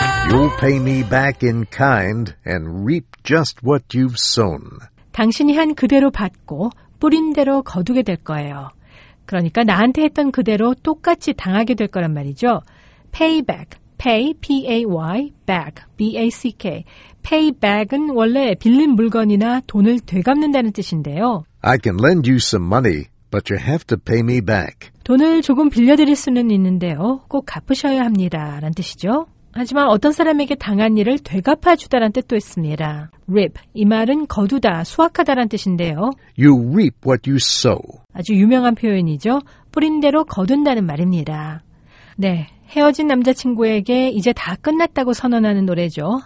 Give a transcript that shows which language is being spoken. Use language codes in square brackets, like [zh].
[en] You'll pay me back in kind and reap just what you've sown. [ko] 당신이 한 그대로 받고 뿌린 대로 거두게 될 거예요. 그러니까 나한테 했던 그대로 똑같이 당하게 될 거란 말이죠. [en] Pay back. Pay, P-A-Y, back, B-A-C-K. Pay back [ko] 은 원래 빌린 물건이나 돈을 되갚는다는 뜻인데요. [en] I can lend you some money, but you have to pay me back. [ko] 돈을 조금 빌려드릴 수는 있는데요. 꼭 갚으셔야 합니다. 라는 뜻이죠. 하지만 어떤 사람에게 당한 일을 되갚아주다란 뜻도 있습니다. Reap, 이 말은 거두다, 수확하다란 뜻인데요. [en] You reap what you sow. [ko] 아주 유명한 표현이죠. 뿌린 대로 거둔다는 말입니다. 네, 헤어진 남자친구에게 이제 다 끝났다고 선언하는 노래죠.